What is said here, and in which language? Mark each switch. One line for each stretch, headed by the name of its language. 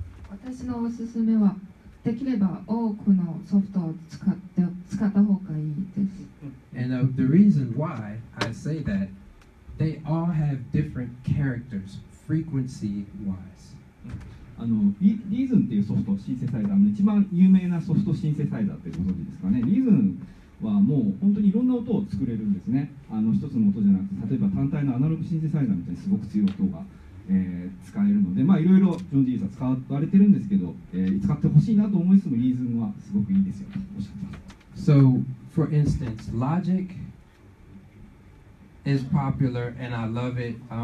Japanese: 私のおすすめはできれば多くのソフトを使った方がいいです。
English: And the reason why I say that, they all have different characters frequency wise.
Japanese: Reason っていうソフトシンセサイザーの一番有名なソフトシンセサイザーってご存知ですかね。 Reason はもう本当にいろんな音を作れるんですね。一つの音じゃなくて、例えば単体のアナログシンセサイザーみたいにすごく強い音が使えるので、いろいろジョン・ディーさん使われてるんですけど、使ってほしいなと思いつつも、リーズンはすごくいいですよとおっしゃってます。
English: So for instance, Logic is popular and I love it.